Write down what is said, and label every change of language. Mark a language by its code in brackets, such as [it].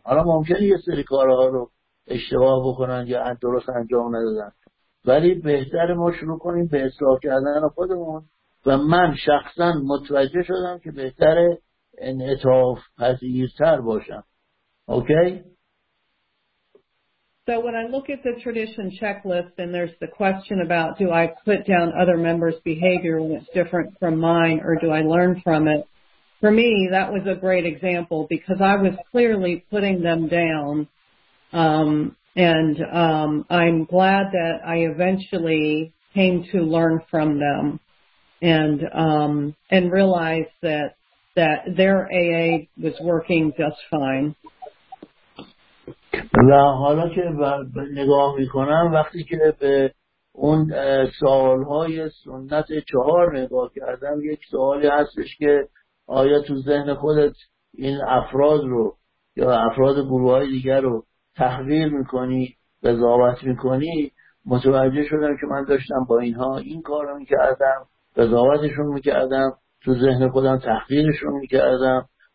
[fa] حالا ممکنه یه سری کارها رو اشتباه بکنن یا درست انجام ندادن، ولی بهتر ما شروع کنیم به اصلاح کردن خودمون. و من شخصا متوجه شدم که بهتر انعطاف پذیرتر باشم. [en] Okay? So when I look at the tradition checklist and there's the question about do I put down other members' behavior when it's different from mine or do I learn from it, for me that was a great example because I was clearly putting them down, and I'm glad that I eventually came to learn from them and realize that their AA was working just fine. [fa] و حالا که نگاه میکنم وقتی که به اون سوالهای سنت چهار نگاه کردم، یک سوالی هستش که آیا تو ذهن خودت این افراد رو یا افراد گروه های دیگر رو تحقیر میکنی، قضاوت میکنی؟ متوجه شدم که من داشتم با اینها این کار رو میکردم، قضاوتشون میکردم، تو ذهن خودم تحقیرشون میکردم،